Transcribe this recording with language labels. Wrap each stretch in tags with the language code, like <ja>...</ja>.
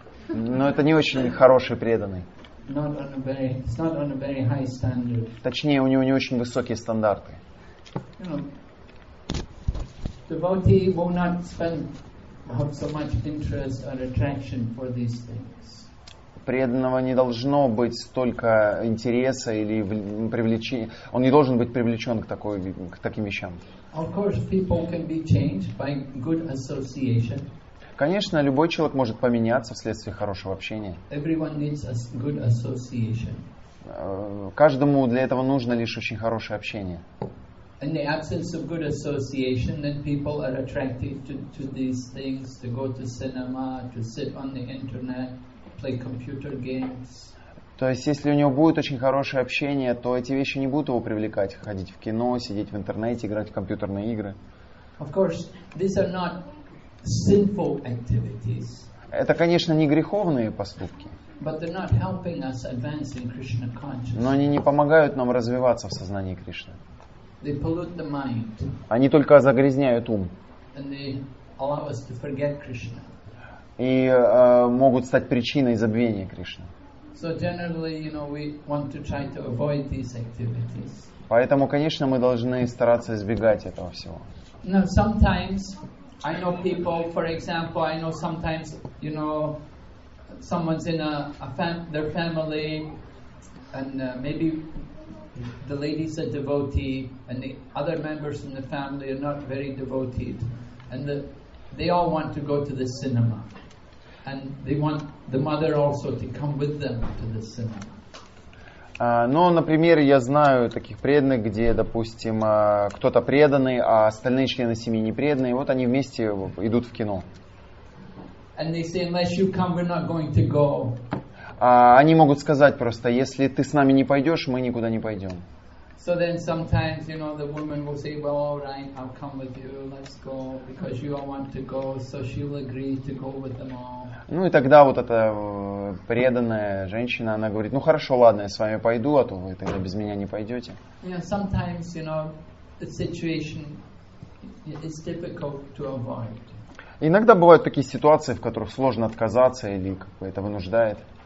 <ru>Но это не очень хороший преданный.</ru> <en>It's not on a very high standard.</en> <ru>Точнее, у него не очень высокие стандарты.</ru> <en>Devotee will not spend so much interest or attraction for these things.</en> <ru>Преданного не должно быть столько интереса или привлечения. Он не должен быть привлечен к такой, к таким вещам.</ru> <en>Of course, people can be changed by good association.</en> <ru>Конечно, любой человек может поменяться вследствие хорошего общения.</ru> <en>Everyone needs a good association.</en> <ru>Каждому для этого нужно лишь очень хорошее общение.</ru> <en>In the absence of good association, then people are attracted to these things, to go to cinema, to sit on the internet, play computer games.</en> <ru>То есть, если у него будет очень хорошее общение, то эти вещи не будут его привлекать, ходить в кино, сидеть в интернете, играть в компьютерные игры.</ru> <en>Of course, these are not sinful activities.</en> <ru>Это, конечно, не греховные поступки.</ru> <en>But they're not helping us advance in Krishna consciousness.</en> <ru>Но они не помогают нам развиваться в сознании Кришны.</ru> <en>They pollute the mind.</en> <ru>Они только загрязняют ум.</ru> <en>And they allow us to forget Krishna.</en> <ru>И могут стать причиной забвения Кришны.</ru> <en>So generally, you know, we want to try to avoid these activities.</en> <ru>Поэтому, конечно, мы должны стараться избегать этого всего.</ru> <en>Now, sometimes I know people, for example, I know sometimes, you know, someone's in their family, and maybe the lady's a devotee, and the other members in the family are not very devoted, and they all want to go to the cinema, and they want the mother also to come with them to the cinema.</en> <ru>Ну, например, я знаю таких преданных, где, допустим, кто-то преданный, а остальные члены семьи не преданные. Вот они вместе идут в кино.</ru> <en>And they say, unless you come, we're not going to go.</en> <ru>Они могут сказать просто, если ты с нами не пойдешь, мы никуда не пойдем.</ru> <en>So then sometimes, you know, the woman will say, well, all right, I'll come with you, let's go, because you all want to go, so she'll agree to go with them all.</en> <ru>Ну и тогда вот эта преданная женщина, она говорит, ну хорошо, ладно, я с вами пойду, а то вы тогда без меня не пойдете.</ru> <en>You know, sometimes, you know, the situation is difficult to avoid.</en> <ru>Иногда бывают такие ситуации, в которых сложно отказаться или как бы это вынуждает.</ru>